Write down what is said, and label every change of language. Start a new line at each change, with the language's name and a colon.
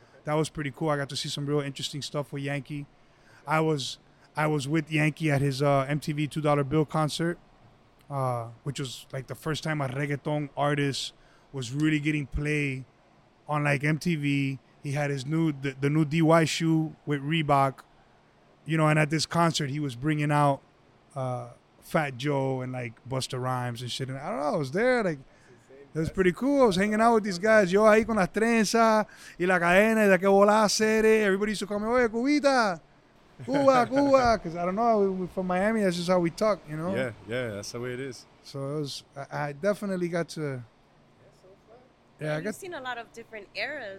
English: That was pretty cool. I got to see some real interesting stuff with Yankee. I was with Yankee at his MTV $2 Bill concert, which was like the first time a reggaeton artist was really getting play on like MTV. He had his new DY shoe with Reebok, you know, and at this concert, he was bringing out Fat Joe and like Busta Rhymes and shit. And I don't know, I was there. Like, it was pretty cool. I was hanging out with these guys.
Spanish: Yo ahí con la trenza y la cadena y la que volá hacer.
English: Everybody used to call me, oye, cubita. Cuba, because I don't know, we're from Miami, that's just how we talk, you know? Yeah, that's the way it is. So it was, I definitely got to, yeah, you've seen a lot of different eras.